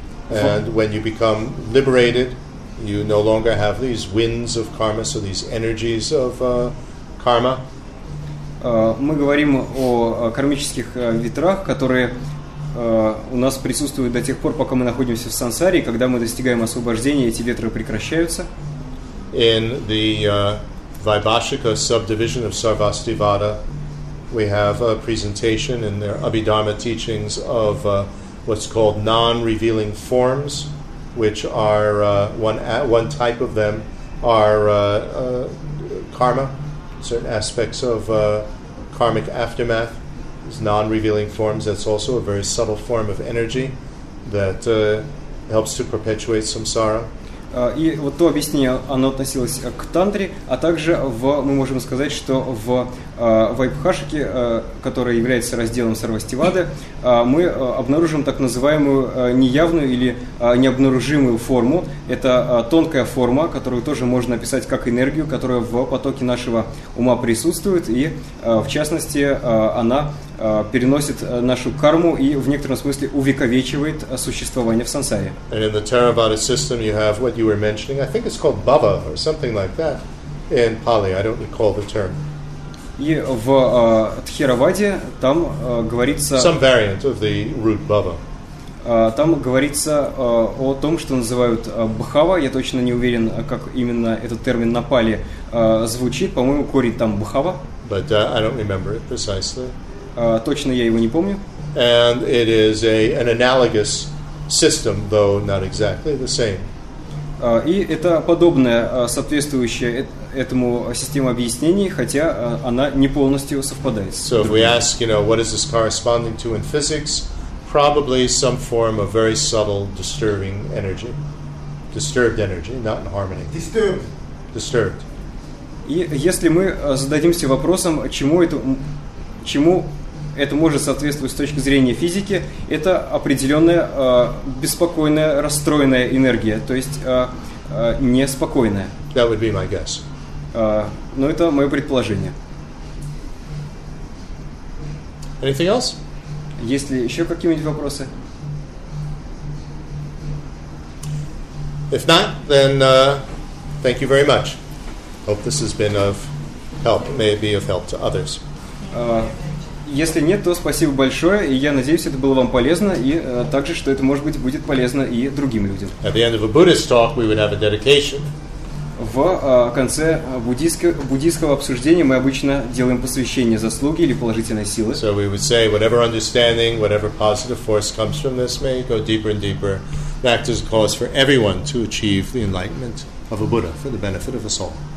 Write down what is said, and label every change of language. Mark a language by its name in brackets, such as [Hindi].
[English] And when you become liberated, you no longer have these winds of karma, so these energies of karma. [Russian] Мы говорим о кармических ветрах, которые у нас присутствуют до тех пор, пока мы находимся в сансаре, и когда мы достигаем освобождения, эти ветры прекращаются. [English] In the Vaibhashika subdivision of Sarvastivada, we have a presentation in their Abhidharma teachings of what's called non-revealing forms, which are one type of them are karma. Certain aspects of karmic aftermath, these non-revealing forms, that's also a very subtle form of energy that helps to perpetuate samsara. [Russian] И вот то объяснение, оно относилось к тантре, а также мы можем сказать, что в вайбхашике, которая является разделом сарвастивады, мы обнаружим так называемую неявную или необнаружимую форму. Это тонкая форма, которую тоже можно описать как энергию, которая в потоке нашего ума присутствует, и в частности она переносит нашу карму и в некотором смысле увековечивает существование в сансаре. [English] And in the Theravada system you have what you were mentioning, I think it's called bhava or something like that in Pali, I don't recall the term. [Russian] И в Тхераваде там говорится [English] some variant of the root bhava. [Russian] Там говорится о том, что называют бхава. Я точно не уверен, как именно этот термин на пали звучит. По-моему, корень там бхава. [English] But I don't remember it precisely. [Russian] Точно я его не помню. [English] And it is an analogous system, though not exactly the same. [Russian] И это подобное, соответствующее этому системе объяснений, хотя она не полностью совпадает. [English] So if we ask, you know, what is this corresponding to in physics, probably some form of very subtle disturbing energy. Disturbed energy, not in harmony. Disturbed. [Russian] И если мы зададимся вопросом, чему это может соответствовать с точки зрения физики, это определенная беспокойная, расстроенная энергия, то есть неспокойная. [English] That would be my guess. [Russian] Но это мое предположение. [English] Anything else? [Russian] Есть ли еще какие-нибудь вопросы? [English] If not, then thank you very much. Hope this has been of help, may it be of help to others. [Russian] Если нет, то спасибо большое, и я надеюсь, это было вам полезно, и также, что это, может быть, будет полезно и другим людям. [English] At the end of a Buddhist talk, we would have a dedication. [Russian] В конце буддийского обсуждения мы обычно делаем посвящение заслуги или положительной силы. [English] So we would say, whatever understanding, whatever positive force comes from this may go deeper and deeper. That is a cause for everyone to achieve the enlightenment of a Buddha for the benefit of us all.